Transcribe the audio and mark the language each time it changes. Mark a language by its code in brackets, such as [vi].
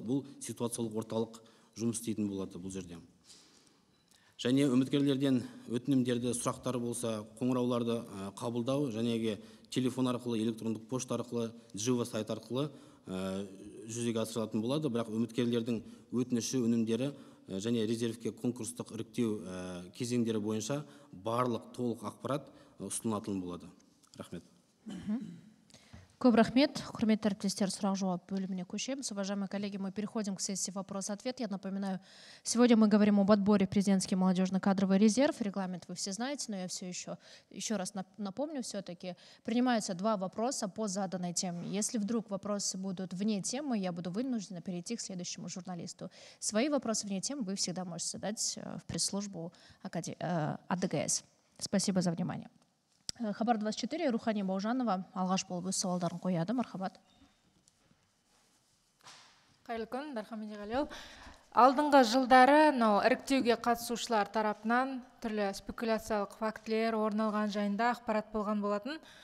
[kk] Бұл ситуациялық орталық жұмыс істейтін болады бұл жерде. Және үміткерлерден өтінімдерді, сұрақтары болса, қоңырауларды қабылдау және телефон арқылы, электрондық пошта арқылы, жива сайт арқылы жүзеге асырылатын болады, бірақ үміткерлердің өтініші өнімдері және резервке конкурстық іріктеу кезеңдері бойынша барлық толық ақпарат ұсынылатын болады. Рахмет. Көп рахмет. Құрметті әріптестер, сұрақ-жауап бөліміне көшеміз. [ru] Уважаемые коллеги, мы переходим к сессии вопрос-ответ. Я напоминаю, сегодня мы говорим об отборе президентский молодежно-кадровый резерв. Регламент вы все знаете, но я все еще раз напомню все-таки. Принимаются два вопроса по заданной теме. Если вдруг вопросы будут вне темы, я буду вынуждена перейти к следующему журналисту. Свои вопросы вне темы вы всегда можете задать в пресс-службу АДГС. Спасибо за внимание. [kk] Хабар 24, Рухани Баужанова, алғаш болып өз сауалдарын қояды, мархабат. Қайырлы күн, Дархамиди Галил. Алдыңғы жылдары, іріктеуге қатысушылар тарапынан түрлі спекуляциялық фактілер орын алған жайында ақпарат болған болатын.